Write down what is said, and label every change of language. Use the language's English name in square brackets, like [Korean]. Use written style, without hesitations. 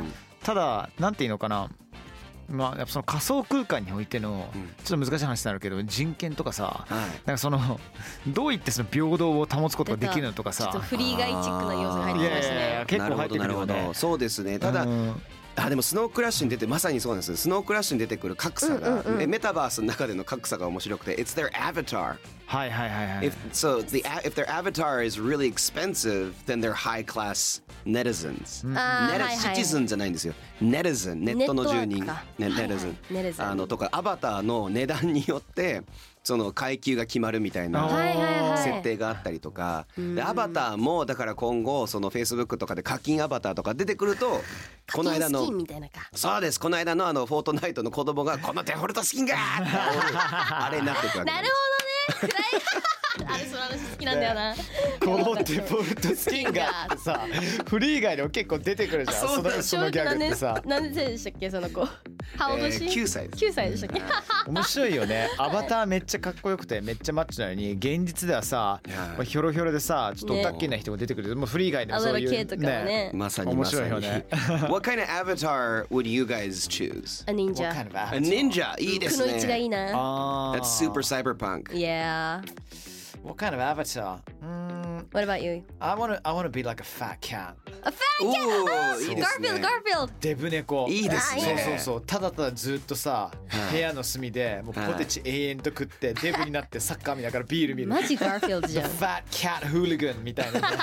[Japanese] うん、ただなんていうのかな、まあ、やっぱその仮想空間においてのちょっと難しい話になるけど、人権とかさ、なんかそのどういってその平等を保つことができるのとかさ、ちょっとフリーガイチックな要素が入ってきましたね。結構入ってくるよね。なるほど、そうですね。ただ、うん、あ、でもスノークラッシュに出て、まさにそうなんです。スノークラッシュに出てくる格差が、うんうんうん、メタバースの中での格差が面白くて、 [English] It's their avatar。 [Japanese] はいはいはいはい。 [English] If, so the, if their avatar is really expensive, then they're high class netizens、 [Japanese] はいはい、 citizen じゃないんですよ。netizen、 ネットの住人、ね、netizen、はい、とかアバターの値段によってその階級が決まるみたいな設定があったりとか、はいはいはい、でアバターもだから今後その Facebook とかで課金アバターとか出てくると、この間の課金スキンみたいなか、そうです、この間のあのフォートナイトの子供がこのデフォルトスキンがあれになってくるわけです。なるほどね。あれ、その話好きなんだよな。このデフォルトスキンがさ、フリー以外でも結構出てくるじゃん。そのギャグってさ、何歳でしたっけその子。 9歳です。9歳でしたっけ。面白いよね。アバターめっちゃかっこよくてめっちゃマッチなのに、現実ではさ、ヒョロヒョロでさ、ちょっとオタッキーな人も出てくる、ね、もうフリー外でもそういう、ね、とかね、まさに面白いよね。 [English] What kind of avatar would you guys choose? A ninja. What kind of avatar? A ninja. [Japanese] いいですね。僕の位置がいいな。 [English] That's super cyberpunk. Yeah. What kind of avatar?、 What about you? I want to be like a fat cat. A fat cat! Oh, Garfield, Garfield! [Japanese] デブ猫。いいですね。そうそうそう。ただただずっとさ、部屋の隅でもうポテチ永遠と食って、デブになってサッカー見ながらビール見る。マジ Garfield じゃん。 [English] The fat cat hooligan [Japanese] みたいな。